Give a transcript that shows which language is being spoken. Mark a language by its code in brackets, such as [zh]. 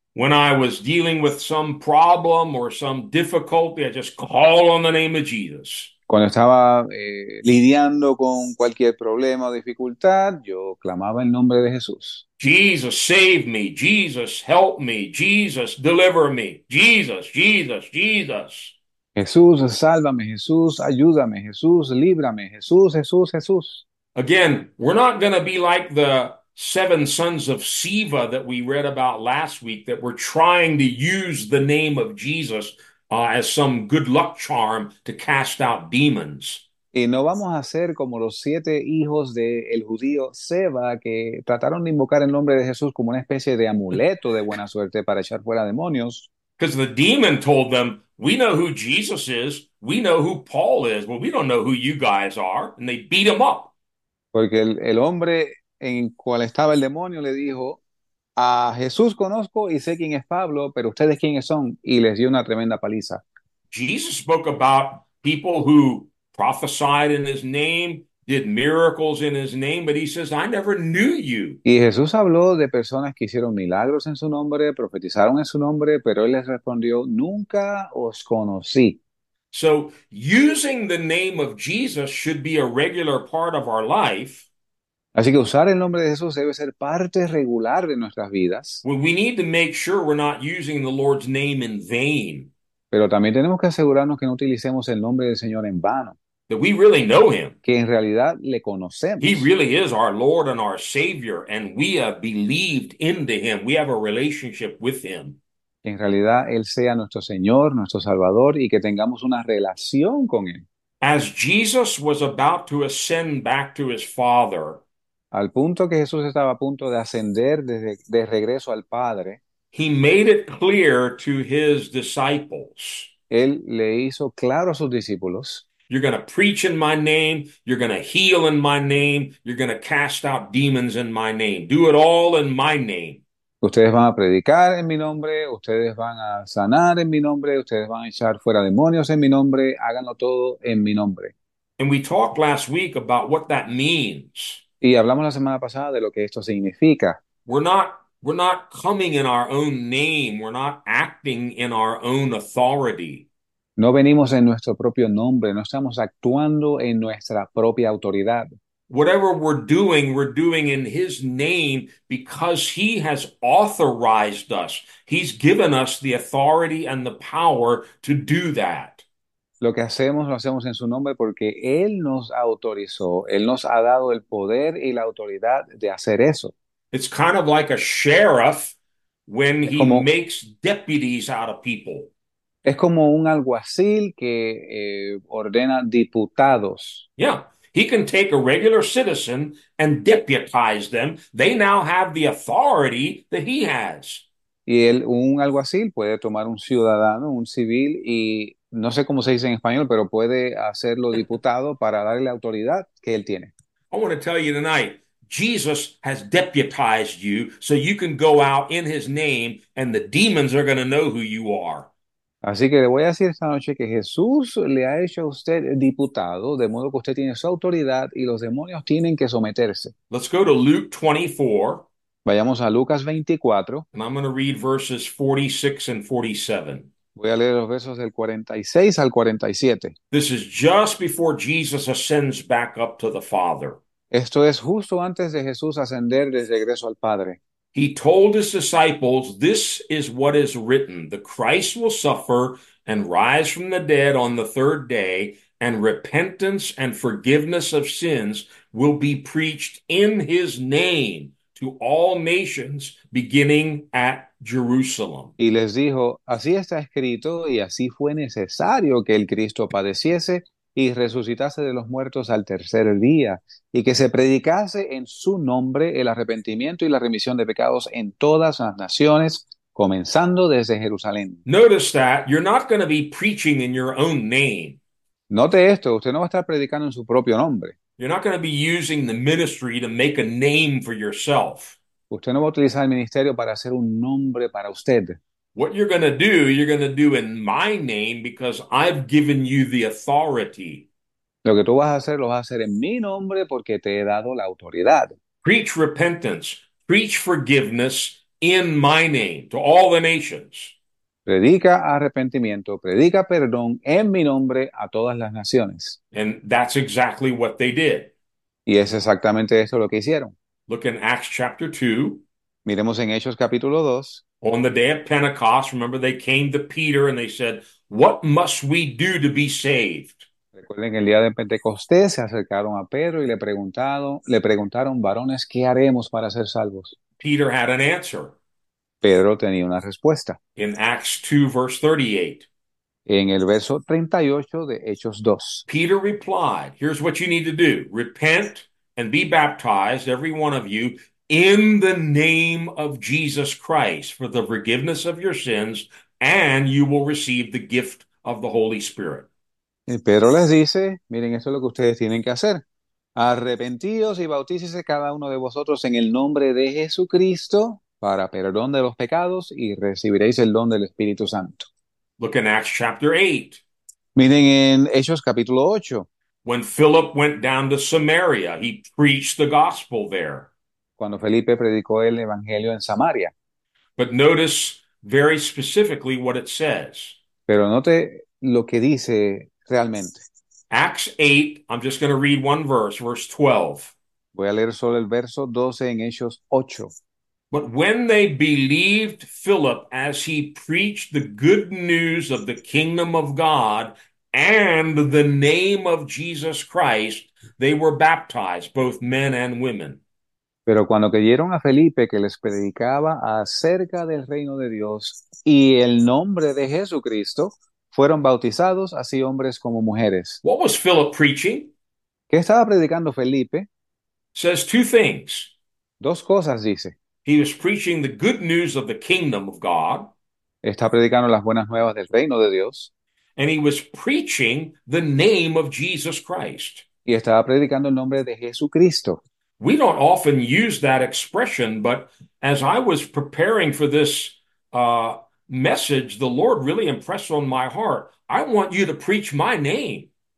[en] When I was dealing with some problem or some difficulty, I just call on the name of Jesus. [es] Cuando estaba lidiando con cualquier problema o dificultad, yo clamaba el nombre de Jesús. [en] Jesus, save me. Jesus, help me. Jesus, deliver me. Jesus, Jesus, Jesus. [es] Jesús, sálvame, Jesús, ayúdame, Jesús, líbrame, Jesús, Jesús, Jesús. [en] Again, we're not going to be like the seven sons of Siva that we read about last week, that we're trying to use the name of Jesus as some good luck charm to cast out demons. [es] Y no vamos a ser como los siete hijos del judío Seba, que trataron de invocar el nombre de Jesús como una especie de amuleto de buena suerte para echar fuera demonios. [en] The demon told them, "We know who Jesus is, we know who Paul is, but we don't know who you guys are," and they beat him up. [es] Porque el hombre en cual estaba el demonio le dijo: a Jesús conozco y sé quién es Pablo, pero ustedes quiénes son, y les dio una tremenda paliza. [en] Jesus spoke about people who prophesied in his name, did miracles in his name, but he says, "I never knew you." [es] Y Jesús habló de personas que hicieron milagros en su nombre, profetizaron en su nombre, pero él les respondió: nunca os conocí. [en] So, using the name of Jesus should be a regular part of our life. [es] Así que usar el nombre de Jesús debe ser parte regular de nuestras vidas. [en] Well, we need to make sure we're not using the Lord's name in vain. [es] Pero también tenemos que asegurarnos que no utilicemos el nombre del Señor en vano, [en] That we really know him. [es] que en realidad le [en] He [es] conocemos. [en] really is our Lord and our Savior, and we have believed into him. We have a relationship with him. [es] En realidad, Él sea nuestro Señor, nuestro Salvador, y que tengamos una relación con Él. [en] As Jesus was about to ascend back to his Father, [es] Al punto que Jesús estaba a punto de ascender de regreso al Padre, [en] he made it clear to his disciples. [es] Él le hizo claro a sus discípulos: [en] You're going to preach in my name. You're going to heal in my name. You're going to cast out demons in my name. Do it all in my name. [es] ustedes van a predicar en mi nombre, ustedes van a sanar en mi nombre, ustedes van a echar fuera demonios en mi nombre, háganlo todo en mi nombre. [en] And we talked last week about what that means. [es] Y hablamos la semana pasada de lo que esto significa. [en] We're not coming in our own name. We're not acting in our own authority. [es] No venimos en nuestro propio nombre, no estamos actuando en nuestra propia autoridad. [en] Whatever we're doing in his name because he has authorized us. He's given us the authority and the power to do that. [es] Lo que hacemos lo hacemos en su nombre porque Él nos autorizó, Él nos ha dado el poder y la autoridad de hacer eso. [en] It's kind of like a sheriff when [es] Es [en] he [es] como [en] makes deputies out of people. [es] un alguacil que ordena diputados. [en] Yeah. He can take a regular citizen and deputize them. They now have the authority that he has. [es] Y él, un alguacil puede tomar un ciudadano, un civil y no sé cómo se dice en español, pero puede hacerlo diputado para darle la autoridad que él tiene. [en] Want to tell you tonight, Jesus has deputized you so you can go out in his name and the demons are going to know who you are. [es] Así que le voy a decir esta noche que Jesús le ha hecho a usted diputado, de modo que usted tiene su autoridad y los demonios tienen que someterse. [en] Let's go to Luke 24, [es] Vayamos a Lucas 24. [en] and I'm going to read verses 46 and 47. [es] Voy a leer los versos del 46 al 47. [en] This is just before Jesus ascends back up to the Father. [es] Esto es justo antes de Jesús ascender de regreso al Padre. [en] He told his disciples, "This is what is written: the Christ will suffer and rise from the dead on the third day, and repentance and forgiveness of sins will be preached in his name to all nations, beginning at Jerusalem." [es] Y les dijo, así está escrito y así fue necesario que el Cristo padeciese y resucitase de los muertos al tercer día y que se predicase en su nombre el arrepentimiento y la remisión de pecados en todas las naciones, comenzando desde Jerusalén. [en] Notice that you're not going to be preaching in your own name. [es] Note esto, usted no va a estar predicando en su propio nombre. [en] You're not going to be using the ministry to make a name for yourself. [es] Usted no va a utilizar el ministerio para hacer un nombre para usted. [en] What you're going to do in my name because I've given you the authority. [es] Lo que tú vas a hacer, lo vas a hacer en mi nombre porque te he dado la autoridad. [en] Preach repentance, preach forgiveness in my name to all the nations. [es] Predica arrepentimiento, predica perdón en mi nombre a todas las naciones. [en] And that's exactly what they did. [es] Y es exactamente eso lo que hicieron. [en] Look in Acts chapter 2. [es] Miremos en Hechos capítulo 2. [en] On the day of Pentecost, remember they came to Peter and they said, "What must we do to be saved?" [es] Recuerden que el día de Pentecostés se acercaron a Pedro y le preguntaron, varones, ¿qué haremos para ser salvos? [en] Peter had an answer. [es] Pedro tenía una respuesta. [en] In Acts 2, verse 38. [es] En el verso 38 de Hechos 2. [en] Peter replied, "Here's what you need to do. Repent and be baptized, every one of you, in the name of Jesus Christ for the forgiveness of your sins, and you will receive the gift of the Holy Spirit." [es] Pedro les dice, miren, esto es lo que ustedes tienen que hacer. Arrepentíos y bautícese cada uno de vosotros en el nombre de Jesucristo para perdón de los pecados y recibiréis el don del Espíritu Santo. [en] Look in Acts chapter 8. [es] Miren en Hechos capítulo 8. [en] When Philip went down to Samaria, he preached the gospel there. [es] Cuando Felipe predicó el Evangelio en Samaria. [en] But notice very specifically what it says. [es] Pero note lo que dice. Realmente. [en] Acts 8, I'm just going to read one verse, verse 12. [es] Voy a leer solo el verso 12 en Hechos 8. [en] But when they believed Philip as he preached the good news of the kingdom of God, and the name of Jesus Christ, they were baptized, both men and women. [es] Pero cuando creyeron a Felipe que les predicaba acerca del reino de Dios y el nombre de Jesucristo, fueron bautizados así hombres como mujeres. [en] What was Philip preaching? [es] ¿Qué estaba predicando Felipe? [en] Says two things. [es] Dos cosas dice. [en] He was preaching the good news of the kingdom of God. [es] Está predicando las buenas nuevas del reino de Dios. [en] And he was preaching the name of Jesus Christ. [es] Y estaba predicando el nombre de Jesucristo. [en] We don't often use that expression, but as I was preparing for this message, the Lord really impressed on my heart, "I want you to preach my name."